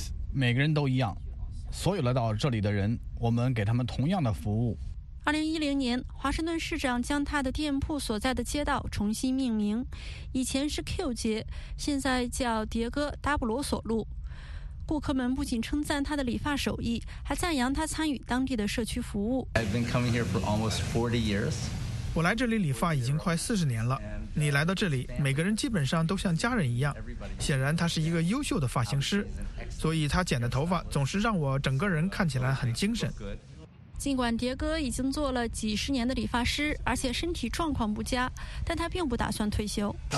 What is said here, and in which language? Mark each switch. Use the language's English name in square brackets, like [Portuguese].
[Chinese] 每个人都一样，所有来到这里的人，我们给他们同样的服务。 2010年，华盛顿市长将他的店铺所在的街道重新命名，以前是 Q 街，现在叫迭戈·达布罗索路。顾客们不仅称赞他的理发手艺，还赞扬他参与当地的社区服务。 [English] I've been coming here for almost 40 years. [Chinese] 我来这里理发已经快40年了。你来到这里，每个人基本上都像家人一样。显然，他是一个优秀的发型师，所以他剪的头发总是让我整个人看起来很精神。尽管迭戈已经做了几十年的理发师，而且身体状况不佳，但他并不打算退休。